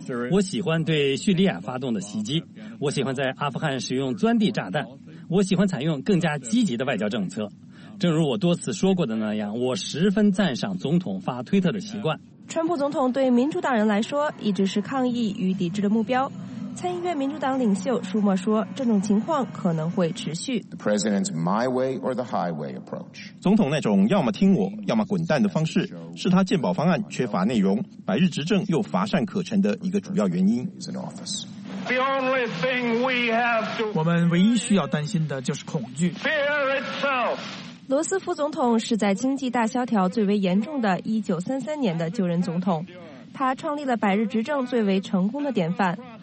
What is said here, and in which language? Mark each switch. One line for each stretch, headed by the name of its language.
Chinese: 我喜欢对叙利亚发动的袭击，我喜欢在阿富汗使用钻地炸弹，我喜欢采用更加积极的外交政策。正如我多次说过的那样，我十分赞赏总统发推特的习惯。川普总统对民主党人来说一直是抗议与抵制的目标。参议院民主党领袖舒默说，这种情况可能会持续。
English: The president's my way or the highway approach.
Chinese: 总统那种要么听我，要么滚蛋的方式，是他健保方案缺乏内容，百日执政又乏善可陈的一个主要原因。
English: The only thing we have to
Chinese: 我们唯一需要担心的就是恐惧。
English: Fear itself.
Chinese: 罗斯福总统是在经济大萧条最为严重的1933年的就任总统，他创立了百日执政最为成功的典范。